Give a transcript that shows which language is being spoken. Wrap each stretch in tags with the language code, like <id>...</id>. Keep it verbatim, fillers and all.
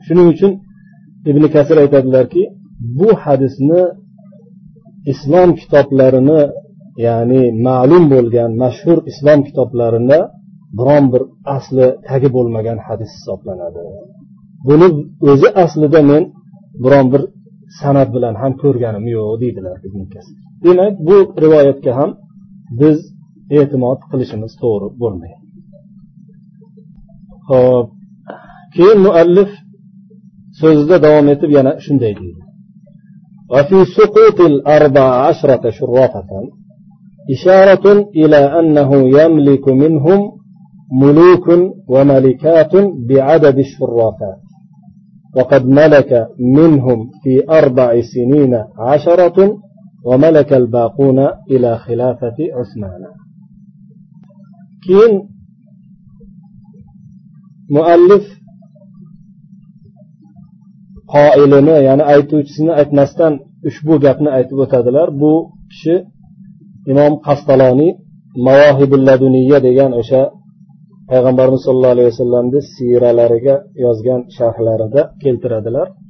<uz>Shuning uchun Ibn Kasir aytadilarki, bu hadisni islom kitoblarini, ya'ni ma'lum bo'lgan mashhur islom kitoblarida biron bir asli tagi bo'lmagan hadis hisoblanadi. Buni o'zi aslida men biron bir sanat bilan ham ko'rganim yo'q deydilar Ibn Kasir. Demak, bu rivoyatga ham biz e'timod qilishimiz to'g'ri bo'lmaydi. Xo'p, keyin muallif so'zida davom etib yana shunday deydi:</uz> <ar>وفي سقوط الأربع عشرة شرافة إشارة إلى أنه يملك منهم ملوك وملكات بعدد الشرافات وقد ملك منهم في أربع سنين عشرة وملك الباقون إلى خلافة عثمان.</ar> <uz>كين مؤلف قائلini yani aytuvchisini aytmasdan ushbu gapni aytib o'tadilar. Bu kishi imom Qastaloniy Mavahibul Laduniyya degan o'sha payg'ambarimiz sollallohu alayhi vasallamni siyralariga yozgan sharhlarida keltiradilar.</uz>